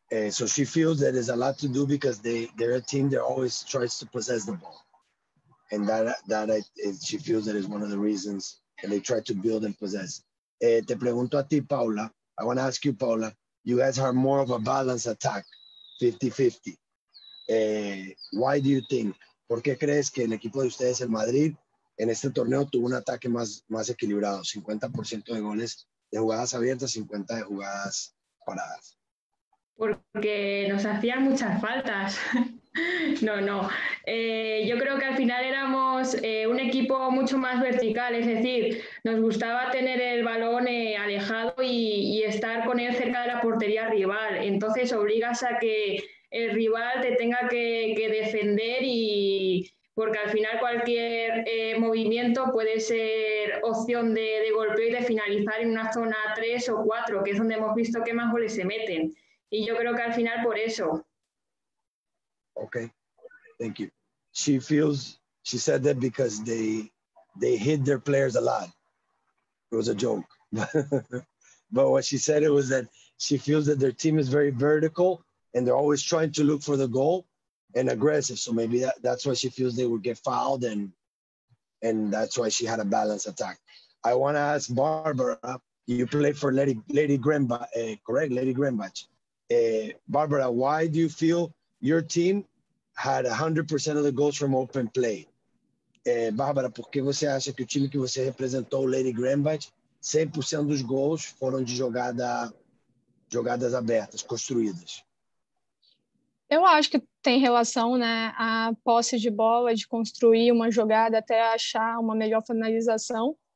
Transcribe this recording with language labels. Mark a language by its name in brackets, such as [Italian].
[English] So she feels that there's a lot to do because they're a team that always tries to possess the ball. And she feels that is one of the reasons, and they try to build and possess. [Spanish] Te pregunto a ti, [English] Paula. I want to ask you, Paula, you guys are more of a balanced attack, 50-50. Why do you think? [Spanish] ¿Por qué crees que el equipo de ustedes, el Madrid, en este torneo tuvo un ataque más equilibrado, 50% de goles de jugadas abiertas, 50 de jugadas paradas. Porque nos hacían muchas faltas. No. Yo creo que al final éramos un equipo mucho más vertical, es decir, nos gustaba tener el balón alejado y estar con él cerca de la portería rival. Entonces obligas a que el rival te tenga que defender y porque al final cualquier movimiento puede ser opción de golpeo y de finalizar en una zona 3 o 4, que es donde hemos visto que más goles se meten. Y yo creo que al final por eso. [English] Okay, thank you. She said that because they hit their players a lot. It was a joke. But what she said it was that she feels that their team is very vertical and they're always trying to look for the goal and aggressive. So maybe that's why she feels they would get fouled and that's why she had a balanced attack. I want to ask Barbara, you play for Lady Grembach, correct? Lady Grembach. Barbara, why do you feel your team had 100% of the goals from open play? [Portuguese] Barbara, por que você acha que o time que você representou, Lady Grembach, 100% dos gols foram de jogadas abertas, construídas? Eu acho que tem relação, né, à posse de bola, de construir uma jogada até achar uma melhor finalização.